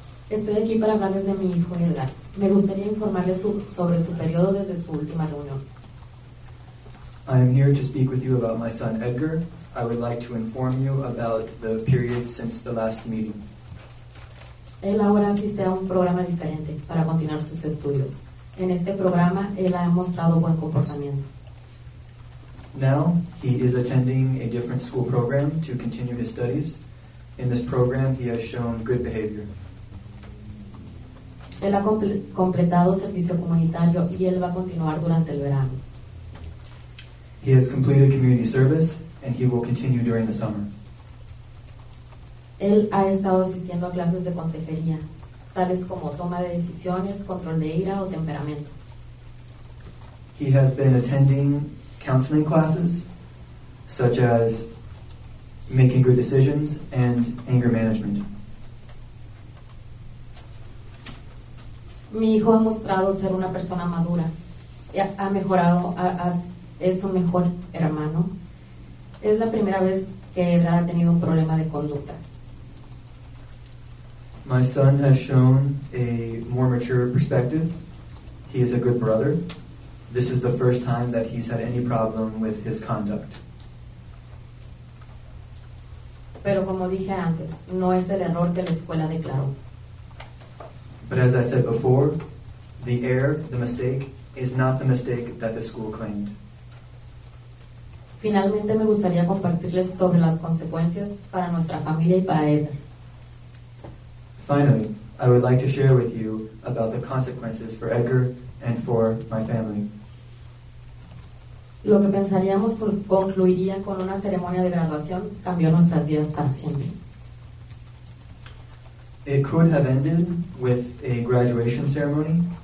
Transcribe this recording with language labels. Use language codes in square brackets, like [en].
[es] Estoy aquí para hablarles de mi hijo Edgar. Me gustaría informarles sobre su periodo desde su última reunión. [en] I am here to speak with you about my son Edgar. I would like to inform you about the period since the last meeting. [es] Él ahora asiste a un programa diferente para continuar sus estudios. En este programa, él ha mostrado buen comportamiento. [en] Now, he is attending a different school program to continue his studies. In this program, he has shown good behavior. [es] Él ha completado servicio comunitario y él va a continuar durante el verano. [en] He has completed community service and he will continue during the summer. [es] Él ha estado asistiendo a clases de consejería, tales como toma de decisiones, control de ira o temperamento. [en] He has been attending counseling classes, such as making good decisions and anger management. [es] Mi hijo ha mostrado ser una persona madura. Ha mejorado, es un mejor hermano. Es la primera vez que Edgar ha tenido un problema de conducta. [en] My son has shown a more mature perspective. He is a good brother. This is the first time that he's had any problem with his conduct. [es] Pero como dije antes, no es el error que la escuela declaró. [en] But as I said before, the error, the mistake, is not the mistake that the school claimed. [es] Finalmente me gustaría compartirles sobre las consecuencias para nuestra familia y para Edgar. [en] Finally, I would like to share with you about the consequences for Edgar and for my family. [es] Lo que pensaríamos concluiría con una ceremonia de graduación cambió nuestras vidas para siempre. [en] It could have ended with a graduation ceremony.